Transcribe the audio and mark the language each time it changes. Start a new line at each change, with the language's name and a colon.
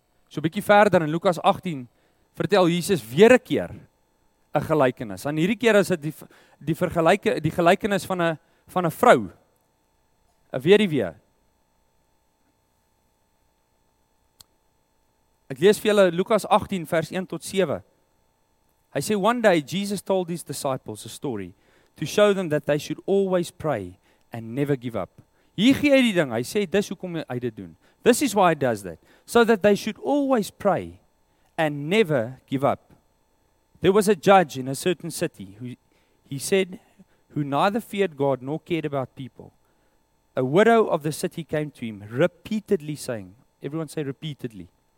Afrikaans: So 'n bietjie verder in Lukas 18 vertel Jesus weer 'n keer 'n gelykenis. En hierdie keer is dit die gelykenis van 'n vrou. 'N weduwee. Ek lees vir julle Lukas 18 vers 1 tot 7. Hy sê,
English: one day Jesus told his disciples a story to show them that they should always pray and never give up.
Afrikaans: Hier gee hy die ding, hy sê, dis hoekom hy dit doen.
English: This is why he does that, so that they should always pray and never give up. There was a judge in a certain city who neither feared God nor cared about people. A widow of the city came to him repeatedly saying, everyone say repeatedly.